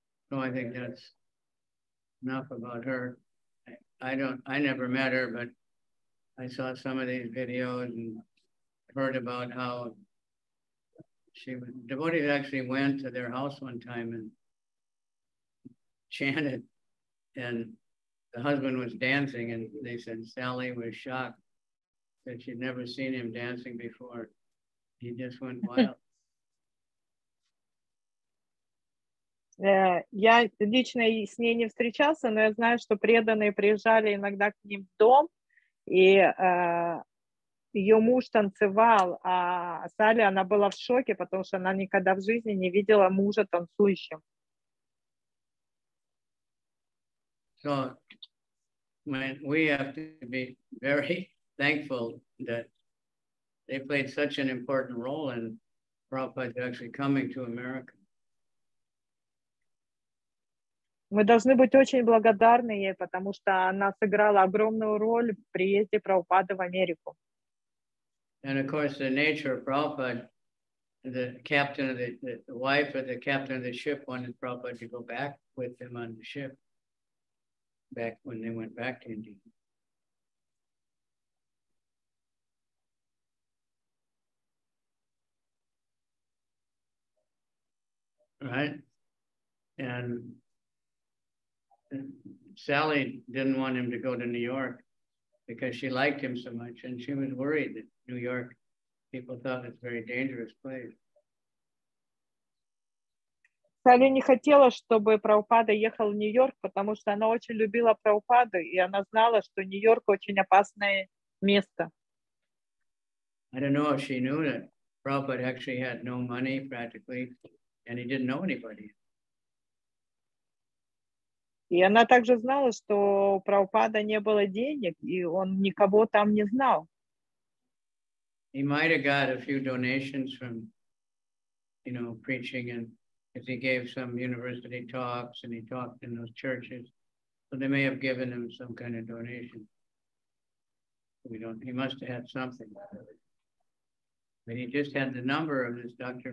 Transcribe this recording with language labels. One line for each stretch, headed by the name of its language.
English: No, I think that's enough about her. I never met her, but I saw some of these videos and heard about how devotees actually went to their house one time and chanted, and the husband was dancing, and they said Sally was shocked that she'd never seen him dancing before. He just went wild.
Russian: Я лично с ней не встречался, но я знаю, что преданные приезжали иногда к ним в дом. И ее муж танцевал, а Салли, она была в шоке, потому что она никогда в жизни не видела мужа танцующим.
English: So, man, we have to be very thankful that they played such an important role in Prabhupada actually coming to America.
Russian: Мы должны быть очень благодарны ей, потому что она сыграла огромную роль в приезде Прабхупады в Америку.
English: And of course, the nature of Prabhupada, the captain of the wife of the captain of the ship wanted Prabhupada to go back with him on the ship back when they went back to India. Right? And Sally didn't want him to go to New York because she liked him so much, and she was worried that New York people thought it's a very dangerous place.
Russian: Сали не хотела, чтобы Прабхупада ехал в Нью-Йорк, потому что она очень любила Прабхупаду, и она знала, что Нью-Йорк очень опасное место.
English: I don't know if she knew that Prabhupada actually had no money practically, and he didn't know anybody.
Russian: И она также знала, что у Прабхупада не было денег, и он никого там не знал.
English: He might have got a few donations from, you know, preaching, and if he gave some university talks and he talked in those churches, so they may have given him some kind of donation. He must have had something. But he just had the number of this Dr.